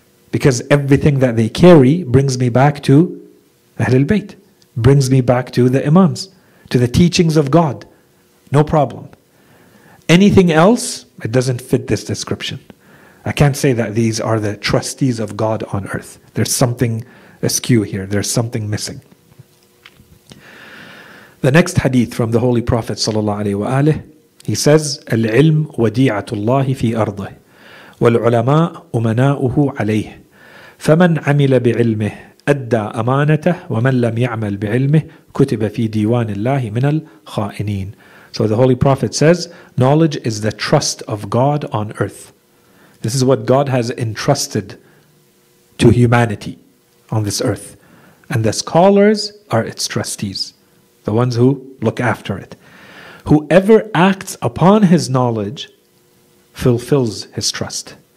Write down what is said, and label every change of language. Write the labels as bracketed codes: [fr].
[en] Because everything that they carry brings me back to Ahlul Bayt, brings me back to the imams, to the teachings of God. No problem. Anything else, it doesn't fit this description. I can't say that these are the trustees of God on earth. There's something askew here. There's something missing. The next hadith from the Holy Prophet ﷺ, he says, [ar] العلم وديعة الله في أرضه والعلماء أمناؤه عليه فمن عمل بعلمه أدى أمانته ومن لم يعمل بعلمه كتب في ديوان الله من الخائنين. [en] So the Holy Prophet says, knowledge is the trust of God on earth. This is what God has entrusted to humanity on this earth. And the scholars are its trustees, the ones who look after it. Whoever acts upon his knowledge fulfills his trust.